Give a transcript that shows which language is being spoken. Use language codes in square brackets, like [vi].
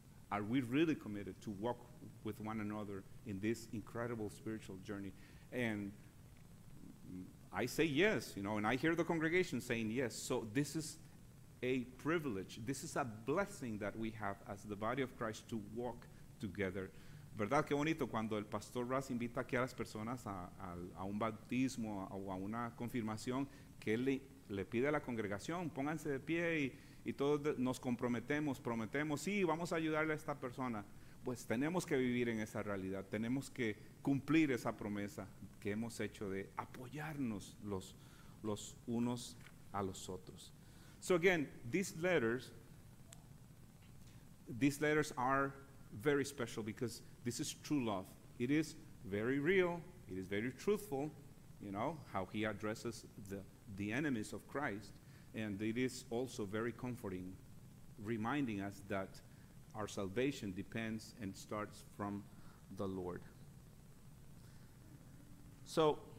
[en] Are we really committed to walk with one another in this incredible spiritual journey? And I say yes, you know, and I hear the congregation saying yes. So this is a privilege. This is a blessing that we have as the body of Christ to walk together. [es] ¿Verdad? Qué bonito cuando el pastor Russ invita aquí a las personas a un bautismo o a una confirmación, que él le pide a la congregación, pónganse de pie y todos nos prometemos, sí, vamos a ayudarle a esta persona. Pues tenemos que vivir en esa realidad, tenemos que cumplir esa promesa que hemos hecho de apoyarnos los unos a los otros. [en] So again, these letters are very special because this is true love. It is very real, it is very truthful, you know, how he addresses the enemies of Christ, and it is also very comforting, reminding us that our salvation depends and starts from the Lord. So,